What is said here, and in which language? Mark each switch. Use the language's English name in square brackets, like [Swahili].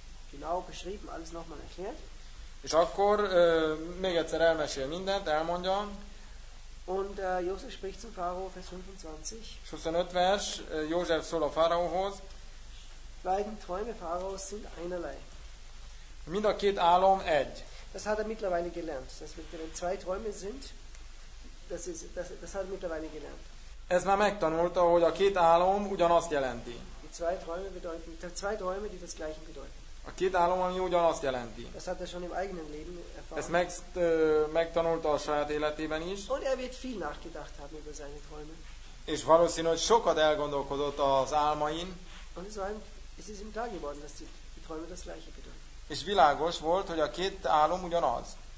[German] Genau beschrieben, alles nochmal erklärt. [Hungarian] És akkor még egyszer elmesél mindent, elmondja. [German] Und Josef spricht zum Pharao, Vers 25. [Hungarian] 25 vers, József szól a fáraóhoz. [German] Beiden Träume Pharaos sind einerlei. [Hungarian] Mind a két álom egy. [German] Das hat er mittlerweile gelernt. Das heißt, wenn zwei Träume sind, das hat er mittlerweile gelernt. [Hungarian] Ez már megtanulta, hogy a két álom ugyanazt jelenti. [German] Zwei Träume bedeuten, zwei Träume, die das gleiche bedeuten. [Hungarian] A két álom, ami ugyanazt jelenti. [German] Das hat er schon im eigenen Leben erfahren. [Hungarian] Ezt megtanulta a saját életében is. [German] Und er wird viel nachgedacht haben über seine Träume. [Hungarian] És valószínű, hogy sokat elgondolkodott az álmain. [German] Und es ist ihm klar geworden, dass die Träume das gleiche bedeuten. [Hungarian] És világos volt, hogy a két álom ugyanaz.